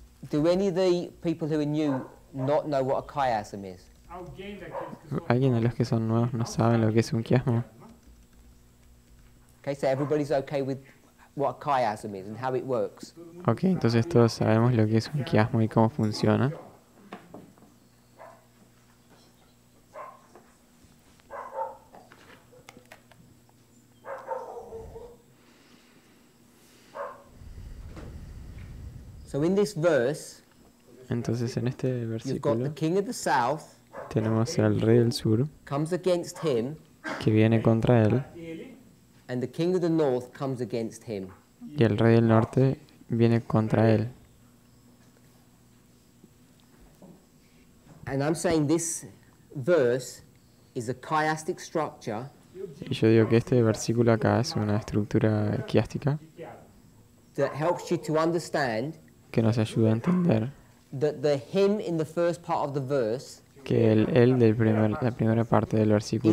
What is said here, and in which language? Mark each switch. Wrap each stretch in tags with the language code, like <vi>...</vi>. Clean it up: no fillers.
<en>Do any of the people who are new not know what a chiasm is?</en> <es>¿Alguien de los que son nuevos no saben lo que es un quiasmo?</es> <en>Okay, so everybody's okay with what a chiasm is and how it works.</en> <es>Okay, entonces todos sabemos lo que es un quiasmo y cómo funciona.</es> <en>So in this verse,</en> <es>entonces en este versículo,</es> <en>you've got the king of the south.</en> <es>Tenemos al rey del sur,</es> <en>comes against him,</en> <es>que viene contra él,</es> <en>and the king of the north comes against him.</en> <es>Y el rey del norte viene contra él.</es> <en>And I'm saying this verse is a chiastic structure.</en> <es>Y yo digo que este versículo acá es una estructura quiástica</es> <en>that helps you to understand,</en> <es>que nos ayuda a entender</es> <en>that the him in the first part of the verse,</en> <es>que el él de la primera parte del versículo</es>